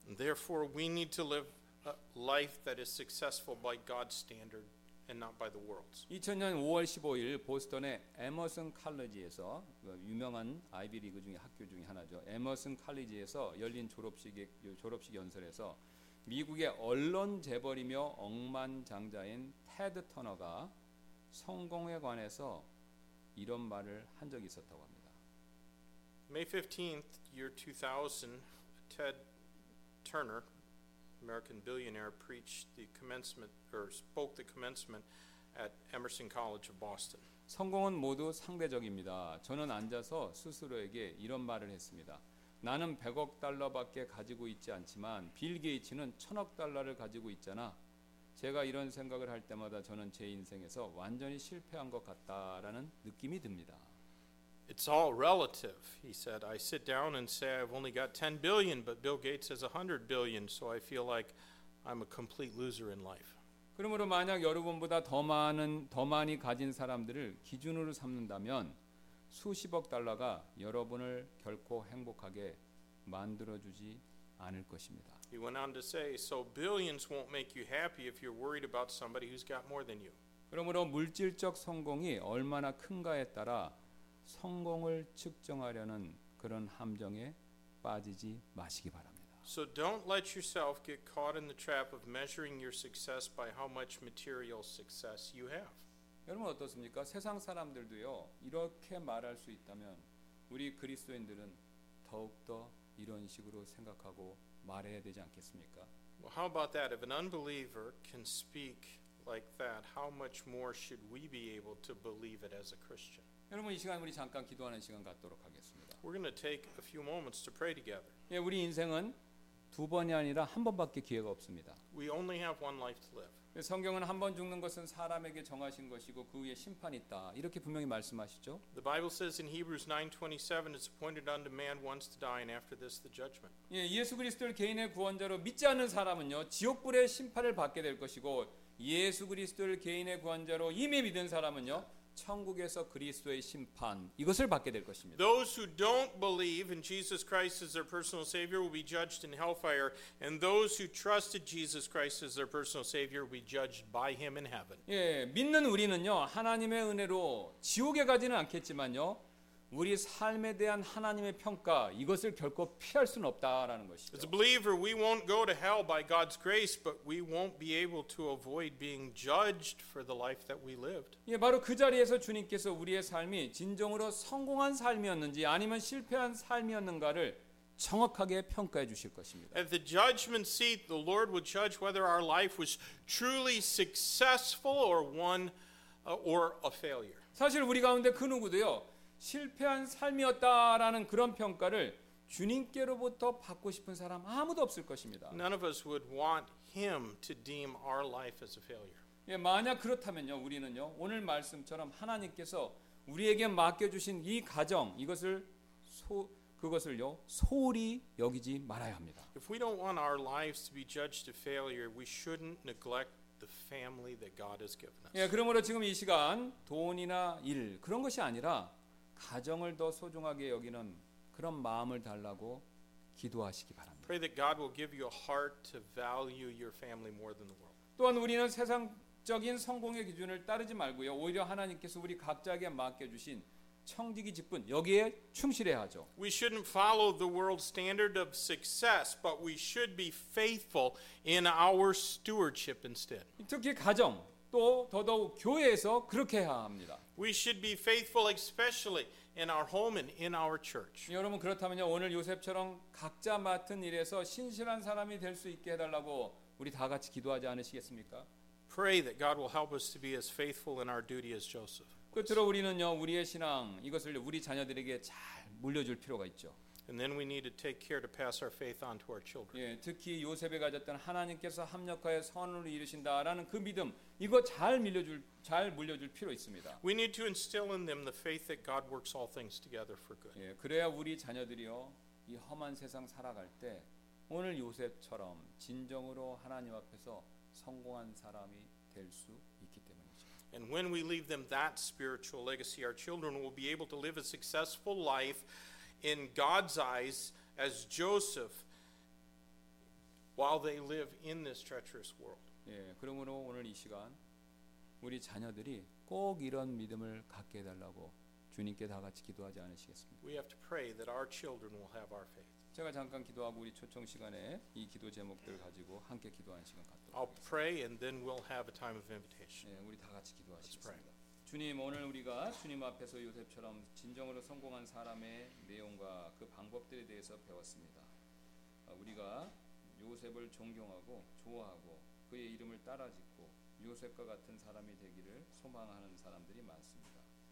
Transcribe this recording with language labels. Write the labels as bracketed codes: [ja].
[en] Therefore, we need to live a life that is successful by God's standard and not by the world's. [ko] 2000년 5월 15일 보스턴의 에머슨 칼리지에서 유명한 아이비리그 중에 학교 중에 하나죠. 에머슨 칼리지에서 열린 졸업식 연설에서 미국의 언론 재벌이며 억만장자인 테드 터너가 성공에 관해서 이런 말을 한 적이 있었다고 합니다. [en] May 15th, year 2000, Ted Turner, American billionaire, preached the commencement or spoke the commencement at Emerson College of Boston. [ko] 성공은 모두 상대적입니다. 저는 앉아서 스스로에게 이런 말을 했습니다. 나는 100억 달러밖에 가지고 있지 않지만 빌 게이츠는 1000억 달러를 가지고 있잖아. 제가 이런 생각을 할 때마다 저는 제 인생에서 완전히 실패한 것 같다라는 느낌이 듭니다. [en] It's all relative, he said. I sit down and say I've only got 10 billion, but Bill Gates has 100 billion, so I feel like I'm a complete loser in life. [ko] 그러므로 만약 여러분보다 더 많이 가진 사람들을 기준으로 삼는다면 수십억 달러가 여러분을 결코 행복하게 만들어 주지 않을 것입니다. [en] He went on to say, so billions won't make you happy if you're worried about somebody who's got more than you. [ko] 그러므로 물질적 성공이 얼마나 큰가에 따라 성공을 측정하려는 그런 함정에 빠지지 마시기 바랍니다. [en] So don't let yourself get caught in the trap of measuring your success by how much material success you have. [ko] 여러분 어떻습니까? 세상 사람들도요. 이렇게 말할 수 있다면 우리 그리스도인들은 더욱더 이런 식으로 생각하고 말해야 되지 않겠습니까? [en] Well, how about that? If an unbeliever can speak like that, how much more should we be able to believe it as a Christian? [ko] 여러분 이 시간 우리 잠깐 기도하는 시간 갖도록 하겠습니다. [en] We're going to take a few moments to pray together. [ko] 예, 우리 인생은 두 번이 아니라 한 번밖에 기회가 없습니다. [en] We only have one life to live. [ko] 성경은 한 번 죽는 것은 사람에게 정하신 것이고 그 후에 심판이 있다. 이렇게 분명히 말씀하시죠. [en] The Bible says in Hebrews 9:27 it's appointed unto man once to die and after this the judgment. [ko] 예, 예수 그리스도를 개인의 구원자로 믿지 않는 사람은요. 지옥불의 심판을 받게 될 것이고 예수 그리스도를 개인의 구원자로 이미 믿은 사람은요. 천국에서 그리스도의 심판 이것을 받게 될 것입니다. [en] Those who don't believe in Jesus Christ as their personal savior will be judged in hellfire and those who trusted Jesus Christ as their personal savior will be judged by him in heaven. [ko] 예, 믿는 우리는요. 하나님의 은혜로 지옥에 가지는 않겠지만요. 우리 삶에 대한 하나님의 평가 이것을 결코 피할 수는 없다라는 것이죠. [en] As a believer, we won't go to hell by God's grace, but we won't be able to avoid being judged for the life that we lived. [ko] 예, 바로 그 자리에서 주님께서 우리의 삶이 진정으로 성공한 삶이었는지 아니면 실패한 삶이었는가를 정확하게 평가해 주실 것입니다. [en] At the judgment seat, the Lord will judge whether our life was truly successful or one or a failure. [ko] 사실 우리 가운데 그 누구도요. 실패한 삶이었다라는 그런 평가를 주님께로부터 받고 싶은 사람 아무도 없을 것입니다. [en] None of us would want him to deem our life as a failure. [ko] 예, 만약 그렇다면요, 우리는요 오늘 말씀처럼 하나님께서 우리에게 맡겨 주신 이 가정 이것을 그것을요 소홀히 여기지 말아야 합니다. [en] If we don't want our lives to be judged a failure, we shouldn't neglect the family that God has given us. [ko] 예, 그러므로 지금 이 시간 돈이나 일 그런 것이 아니라 가정을 더 소중하게 여기는 그런 마음을 달라고 기도하시기 바랍니다. [en] Pray that God will give you a heart to value your family more than the world. [ko] 또한 우리는 세상적인 성공의 기준을 따르지 말고요. 오히려 하나님께서 우리 각자에게 맡겨 주신 청지기 직분 여기에 충실해야 하죠. [en] We shouldn't follow the world standard of success, but we should be faithful in our stewardship instead. [ko] 특히 가정 또 더더욱 교회에서 그렇게 해야 합니다. [en] We should be faithful especially in our home and in our church. [ko] 여러분 그렇다면요. 오늘 요셉처럼 각자 맡은 일에서 신실한 사람이 될 수 있게 해 달라고 우리 다 같이 기도하지 않으시겠습니까? [en] Pray that God will help us to be as faithful in our duty as Joseph. [ko] 끝으로 우리는요. 우리의 신앙 이것을 우리 자녀들에게 잘 물려줄 필요가 있죠. [en] And then we need to take care to pass our faith on to our children. [ko] 예, 특히 요셉이 가졌던 하나님께서 합력하여 선을 이루신다라는 그 믿음 이거 잘 물려줄 필요 있습니다. [en] We need to instill in them the faith that God works all things together for good. [ko] 예, 그래야 우리 자녀들이요 이 험한 세상 살아갈 때 오늘 요셉처럼 진정으로 하나님 앞에서 성공한 사람이 될 수 있기 때문이죠. [en] And when we leave them that spiritual legacy, our children will be able to live a successful life in God's eyes as Joseph while they live in this treacherous world. [ko] 예, 그러므로 오늘 이 시간 우리 자녀들이 꼭 이런 믿음을 갖게 해 달라고 주님께 다 같이 기도하지 않으시겠습니까? [en] We have to pray that our children will have our faith. [ko] 제가 잠깐 기도하고 우리 초청 시간에 이 기도 제목들 가지고 함께 기도하는 시간 갖도록 하겠습니다. [en] I'll pray and then we'll have a time of invitation. [ko] 예, 우리 다 같이 기도하시겠습니다. 주님 오늘 우리가 주님 앞에서 요셉처럼 진정으로 성공한 사람의 내용과 그 방법들에 대해서 배웠습니다. 우리가 요셉을 존경하고 좋아하고 그의 이름을 따라 짓고 요셉과 같은 사람이 되기를 소망하는 사람들이 많습니다.